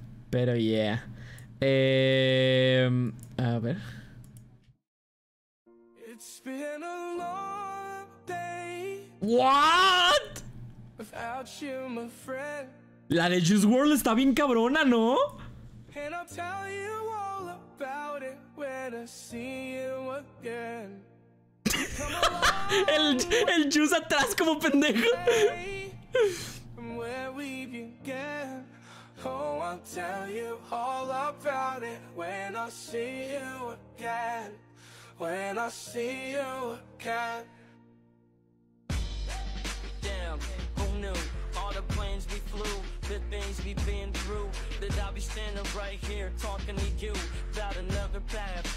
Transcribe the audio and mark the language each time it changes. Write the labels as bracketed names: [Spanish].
[Spanish] Pero yeah. A ver. [English] It's been a long day What? Without you, my friend. [Spanish] La de Juice WRLD está bien cabrona, ¿no? [English] And I'll tell you all about it when I see you again. [Spanish] el Juice atrás como pendejo. [English] Where we began. Oh, I'll tell you all about it when I see you again. When I see you again. Damn, who knew all the planes we flew, the things we've been through, that I'll be standing right here talking to you about another path.